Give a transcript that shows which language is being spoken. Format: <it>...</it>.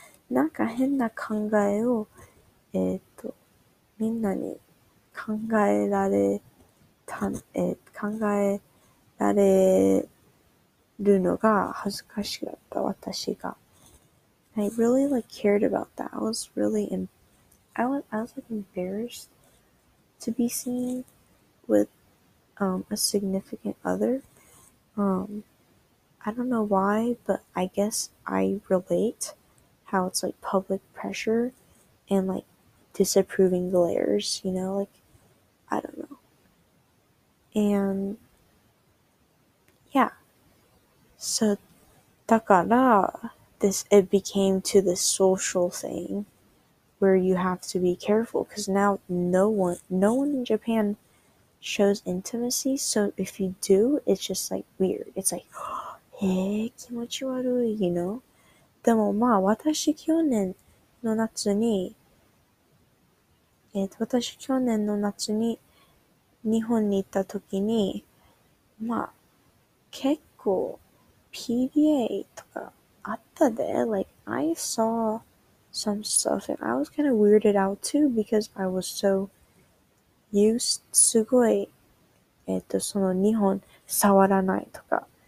<ja>なんか変な考えを、みんなに考えられた、考えられるのが恥ずかしかった、私が。</ja> <en>I really, like, cared about that. I was really, I was like, embarrassed to be seen with, a significant other. I don't know why, but I guess I relate how it's like public pressure and like disapproving glares, you know, like, I don't know. And yeah, so だから this, it became to the social thing where you have to be careful because now no one in Japan shows intimacy. So if you do, it's just like weird. It's like,</en> <ja>ええー、気持ち悪い、</ja> <en>you know?</en> <ja>でもまあ、私去年の夏に、私去年の夏に日本に行った時に、まあ、結構 PDA とかあったで。</ja> <en>Like, I saw some stuff and I was kind of weirded out too because I was so used, すごい、その日本触らないとか。</en>